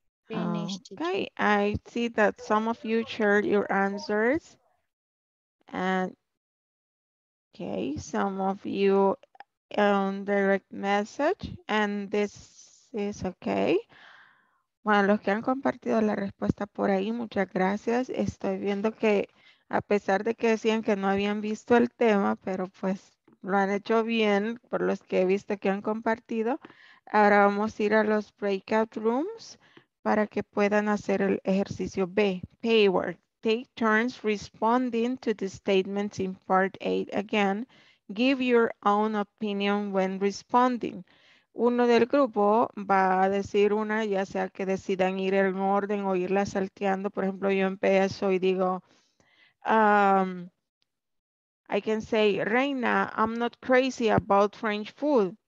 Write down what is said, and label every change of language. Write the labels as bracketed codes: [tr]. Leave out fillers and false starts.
[en] Okay, I see that some of you shared your answers. And okay, some of you on direct message, and this is okay. [es] Bueno, los que han compartido la respuesta por ahí, muchas gracias. Estoy viendo que a pesar de que decían que no habían visto el tema, pero pues lo han hecho bien por los que he visto que han compartido. Ahora vamos a ir a los breakout rooms para que puedan hacer el ejercicio B. [en] Paywork. Take turns responding to the statements in part 8 again. Give your own opinion when responding. [es] Uno del grupo va a decir una, ya sea que decidan ir en orden o irla salteando. Por ejemplo, yo empiezo y digo, [en] I can say, Reina, I'm not crazy about French food.